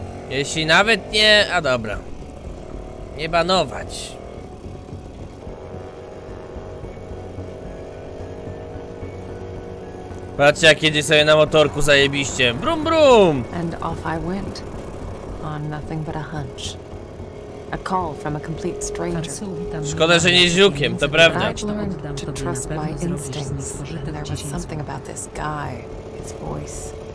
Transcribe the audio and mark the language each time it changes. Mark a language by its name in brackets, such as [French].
[Polish] Jeśli nawet nie, a dobra. Nie banować. Patrzcie, jak jedzie sobie na motorku zajebiście. Brum brum. [English] And off I went on nothing but a hunch. A call from a complete stranger. [Polish] Szkoda, że nie z Ziukiem, to prawda. [English] To trust my instincts. There was something about this guy, his voice.